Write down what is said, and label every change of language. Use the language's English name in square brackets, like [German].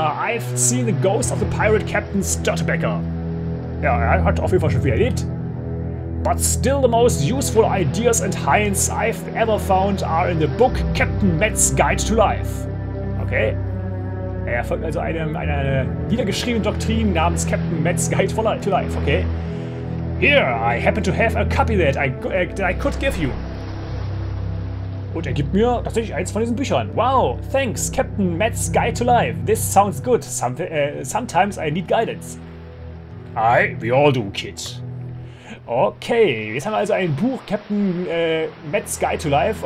[English] I've seen the ghost of the pirate captain Sturtebeker. [German] Ja, er hat auf jeden Fall schon viel erlebt. [English] But still the most useful ideas and hints I've ever found are in the book Captain Matt's Guide to Life. Okay. [German] Er folgt also einer niedergeschriebenen Doktrin namens Captain Matt's Guide for Life, okay? [English] Here, I happen to have a copy that I could give you. [German] Und er gibt mir tatsächlich eins von diesen Büchern. [English] Wow, thanks, Captain Matt's Guide to Life. This sounds good. Sometimes I need guidance. We all do, kid. [German] Okay, jetzt haben wir also ein Buch, Captain Matt's Guide to Life.